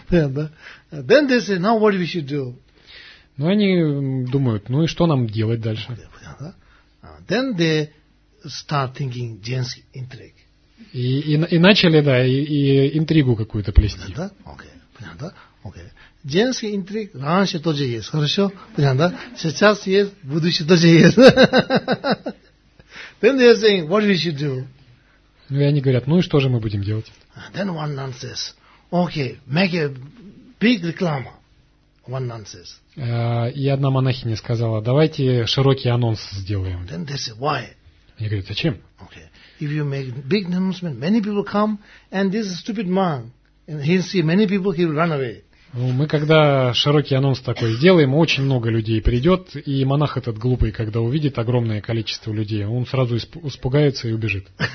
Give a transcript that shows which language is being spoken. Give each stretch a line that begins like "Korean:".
English: Yeah, but then they say, now what we should do?
Russian: Ну, они думают, ну и что нам делать дальше?
English: Then they start thinking Jain's intrigue.
Russian: И начали, да, и интригу какую-то плести. Понятно? Окей. Понятно? Окей. Женский интриг раньше тоже есть, хорошо? Понятно? Сейчас есть, в будущем тоже есть.
English: Then they are saying, what we should do?
Russian: Ну, и они говорят, ну и что же мы будем делать?
English: Then one nun says, okay, make a big reklama. One nun says.
Russian: И одна монахиня сказала, давайте широкий анонс сделаем.
English: Then they say, why?
Russian: Они говорят, зачем?
English: Okay. If you make big announcement, many people come, and this is stupid man, and he'll see many people, he'll run away.
Russian: Мы когда широкий анонс такой сделаем, очень много людей придет, и монах этот глупый, когда увидит огромное количество людей, он сразу испугается и убежит.